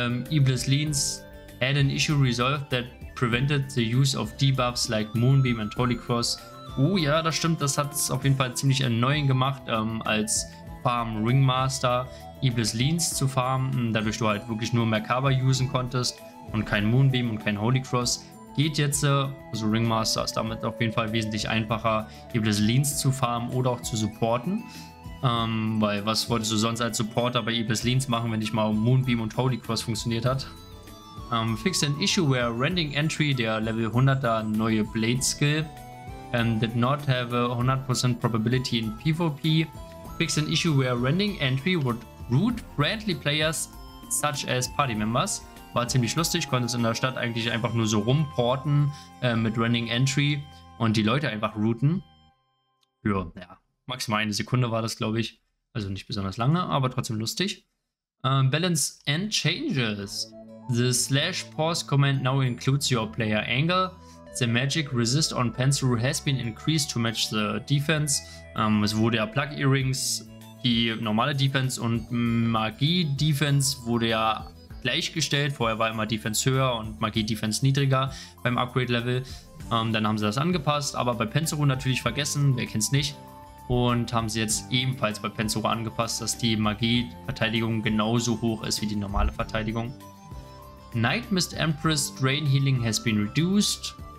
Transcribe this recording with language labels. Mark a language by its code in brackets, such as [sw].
[en] Iblis Leans, Add an Issue Resolved that prevented the use of Debuffs like Moonbeam and Holy Cross. [de] Oh ja, das stimmt, das hat es auf jeden Fall ziemlich annoying gemacht, als Farm Ringmaster Iblis Leans zu farmen, dadurch du halt wirklich nur Merkaba usen konntest und kein Moonbeam und kein Holy Cross. Geht jetzt, also Ringmaster ist damit auf jeden Fall wesentlich einfacher, Iblis Leans zu farmen oder auch zu supporten. Weil was wolltest du sonst als Supporter bei Iblis Leans machen, wenn nicht mal Moonbeam und Holy Cross funktioniert hat? [en] Fix an issue where Rending Entry, [de] der Level 100er neue Blade Skill, [en] did not have a 100% probability in PvP. Fix an issue where Rending Entry would root friendly players such as party members. [de] War ziemlich lustig, konntest in der Stadt eigentlich einfach nur so rumporten mit Rending Entry und die Leute einfach routen. Für, ja, maximal eine Sekunde war das, glaube ich. Also nicht besonders lange, aber trotzdem lustig. [en] Balance and Changes. The slash pause command now includes your player angle. The magic resist on pencil has been increased to match the defense. [de] Es wurde ja Plug Earrings, die normale Defense und Magie Defense wurde ja gleichgestellt. Vorher war immer Defense höher und Magie Defense niedriger beim Upgrade Level. Dann haben sie das angepasst, aber bei Penzero natürlich vergessen, wer kennt's nicht. Und haben sie jetzt ebenfalls bei Penzero angepasst, dass die Magie Verteidigung genauso hoch ist wie die normale Verteidigung. [en] Night Mist Empress Drain Healing has been reduced.